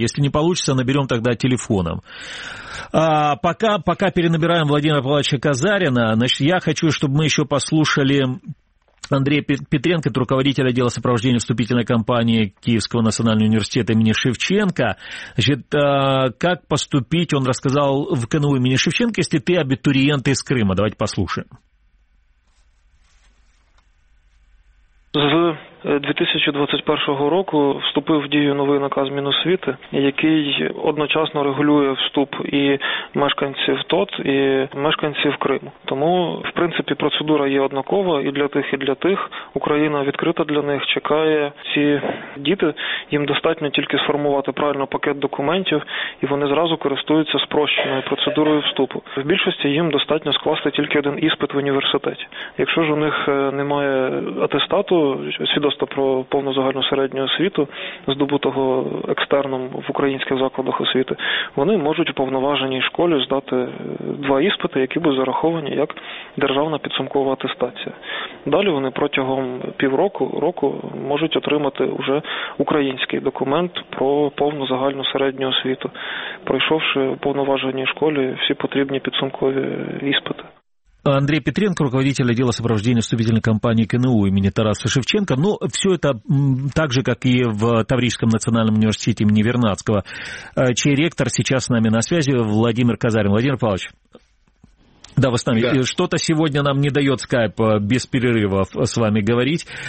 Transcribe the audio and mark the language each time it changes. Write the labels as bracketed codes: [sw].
[ru] Если не получится, наберем тогда телефоном. Пока перенабираем Владимира Павловича Казарина, значит, я хочу, чтобы мы еще послушали Андрея Петренко, это руководитель отдела сопровождения вступительной кампании Киевского национального университета имени Шевченко. Значит, как поступить, он рассказал в КНУ имени Шевченко, если ты абитуриент из Крыма. Давайте послушаем. [uk] 2021 року вступив в дію новий наказ Міносвіти, який одночасно регулює вступ і мешканців ТОТ, і мешканців Криму. Тому, в принципі, процедура є однакова і для тих, і для тих. Україна відкрита для них, чекає ці діти. Їм достатньо тільки сформувати правильно пакет документів, і вони зразу користуються спрощеною процедурою вступу. В більшості їм достатньо скласти тільки один іспит в університеті. Якщо ж у них немає атестату, свідоцтва про повну загальну середню освіту, здобутого екстерном в українських закладах освіти, вони можуть у повноваженій школі здати два іспити, які будуть зараховані як державна підсумкова атестація. Далі вони протягом півроку, року можуть отримати вже український документ про повну загальну середню освіту, пройшовши в повноваженій школі всі потрібні підсумкові іспити. [ru] Андрей Петренко, руководитель отдела сопровождения вступительной кампании КНУ имени Тараса Шевченко. Но все это так же, как и в Таврическом национальном университете имени Вернадского, чей ректор сейчас с нами на связи, Владимир Казарин. Владимир Павлович, да, вы с нами. Да. Что-то сегодня нам не дает скайп без перерывов с вами говорить.